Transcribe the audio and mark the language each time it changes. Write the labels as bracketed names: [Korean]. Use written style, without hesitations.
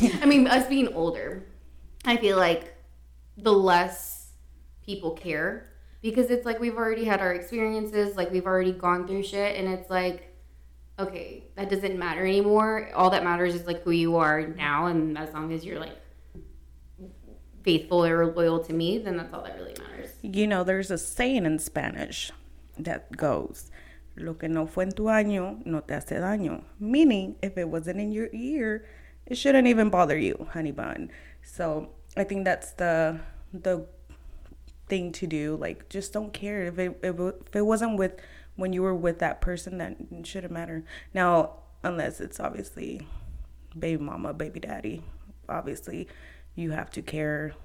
[English] I mean, us being older, I feel like the less people care because it's like we've already had our experiences, like we've already gone through shit, and it's like, okay, that doesn't matter anymore. All that matters is like who you are now, and as long as you're like faithful or loyal to me, then that's all that really matters. You know, there's a saying in Spanish that goes, [Spanish] lo que no fue en tu año, no te hace daño. [English] Meaning, if it wasn't in your ear, it shouldn't even bother you, honey bun. So I think that's the thing to do. Like, just don't care. If it wasn't with when you were with that person, then it shouldn't matter. Now, unless it's obviously baby mama, baby daddy, obviously you have to care.